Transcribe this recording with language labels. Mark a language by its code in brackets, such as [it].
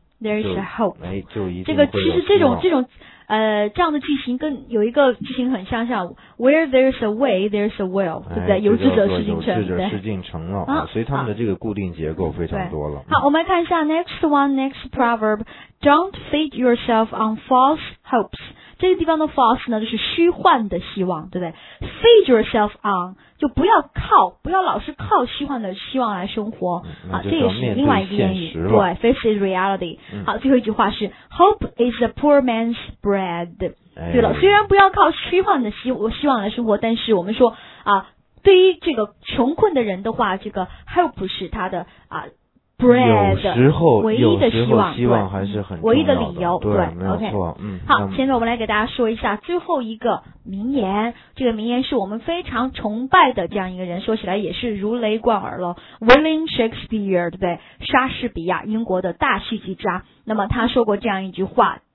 [en] ，there is hope。 [zh] 哎，就一这个其实这种这样的句型跟有一个句型很相像 ， [en] where there's a way, there's a will， [zh] 对不对？有志者事竟成，有志者事竟成了、啊，所以他们的这个固定结构非常多了。啊、好，我们来看一下 [en] next one, next proverb. Don't feed yourself on false hopes. [zh] 这个地方的 false 呢就是虚幻的希望对不对 [en] feed yourself on [zh] 就不要靠不要老是靠虚幻的希望来生活、嗯、啊，这也是另外一个谚语 对 [en] face is reality、嗯、 [zh] 好最后一句话是 [en] hope is a poor man's bread、哎、 [zh] 对了虽然不要靠虚幻的希望来生活但是我们说啊，对于这个穷困的人的话这个 hope 是他的啊。 [en] Bread, [zh] 有时候希望还是很重要的唯一的理由对, 对没有错、 [en] okay. 嗯、 [zh] 好现在我们来给大家说一下最后一个名言这个名言是我们非常崇拜的这样一个人说起来也是如雷贯耳了 William Shakespeare 对不对莎士比亚英国的大戏剧家那么他说过这样一句话